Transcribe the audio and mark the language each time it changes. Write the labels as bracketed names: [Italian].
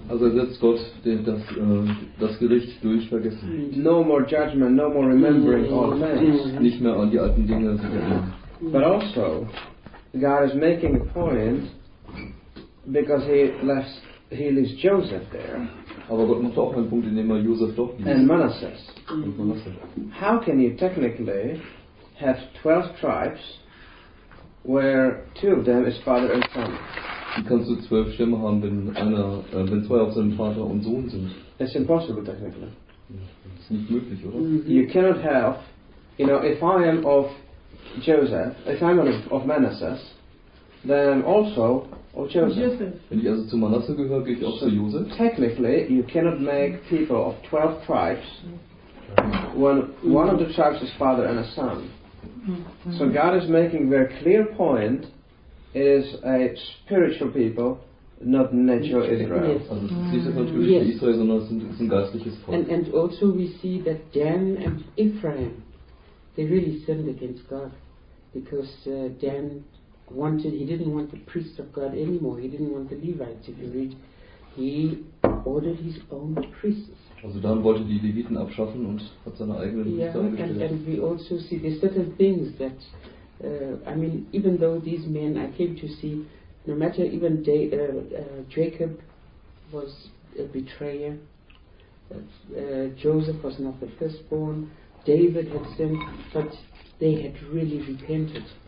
[German] Also ersetzt Gott das Gericht durch Vergessen. [English] No more judgment, no more remembering all things. [German] Nicht mehr an die alten Dinge sich erinnern. [English] But also, God is making a point because he leaves Joseph there. [German] Aber Gott macht auch einen Punkt, indem er Joseph dort ließ. [English] And Manasseh. [German] Und Manasseh. [English] How can you technically have 12 tribes where two of them is father and son? [German] Wie kannst du 12 Stämme haben, wenn zwei auf seinem Vater und Sohn sind? [English] It's impossible, technically. [German] Das ist nicht möglich, oder? [English] You cannot have, you know, if I am of Joseph, if I'm of Manasseh, then also of Joseph. [German] Wenn ich also zu Manasseh gehöre, gehe ich auch zu Joseph? [English] Technically, you cannot make people of 12 tribes when one of the tribes is father and a son. So God is making a very clear point. It is a spiritual people, not natural Israel. Yes. And also we see that Dan and Ephraim, they really sinned against God, because Dan wanted, he didn't want the priest of God anymore. He didn't want the Levites. If you read, he ordered his own priests. [German] Also Dan wollte die Leviten abschaffen und hat seine eigenen Priester gestellt. [English] Yeah, and we also see the certain things that. I mean, even though these men I came to see, no matter even Jacob was a betrayer, Joseph was not the firstborn, David had sinned, but they had really repented.